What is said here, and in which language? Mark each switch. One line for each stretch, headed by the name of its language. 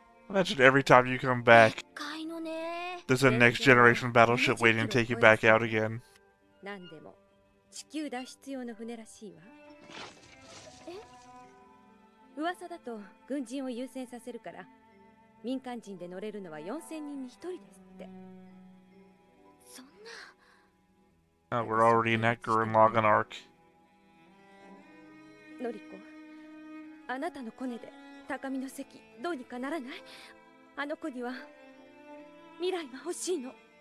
English: Imagine every time you come back, there's a next generation battleship waiting to take you back out again.
Japanese: 何でも地球脱出用の船らしいわ。え？噂だと軍人を優先させるから。民間人で乗れるのは4000人に1人ですって。そんな。
English: Oh, we're already in that Gurren-Lagann arc.
Japanese: ノリコ、あなたのコネで高みの席どうにかならない？あの子には未来が欲しいの。